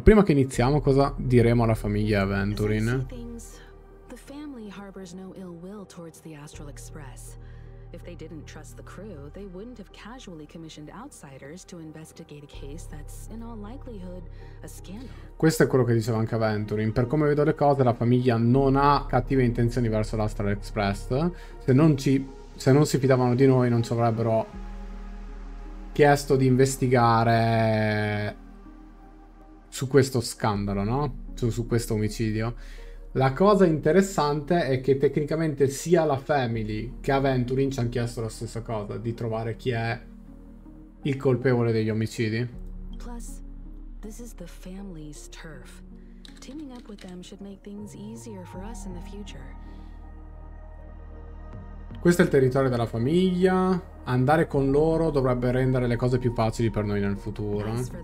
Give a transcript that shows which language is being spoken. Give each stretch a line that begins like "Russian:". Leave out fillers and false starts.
Italian: Prima che iniziamo, cosa diremo alla famiglia Aventurine?
English: La famiglia harbors no ill will towards the Astral Express. If they didn't trust the crew, they wouldn't have casually commissioned outsiders to investigate a case that's in all likelihood a scandal.
Italian: Questo è quello che diceva anche Aventurin. Per come vedo le cose, la famiglia non ha cattive intenzioni verso l'Astral Express. Se non si fidavano di noi, non ci avrebbero chiesto di investigare su questo scandalo, no? Su questo omicidio. La cosa interessante è che tecnicamente sia la Family che Aventurin ci hanno chiesto la stessa cosa, di trovare chi è il colpevole degli omicidi.
English: Plus, this is the family's turf. Teaming up with them should make things easier for us in the future.
Italian: Questo è il territorio della famiglia. Andare con loro dovrebbe rendere le cose più facili per noi nel futuro.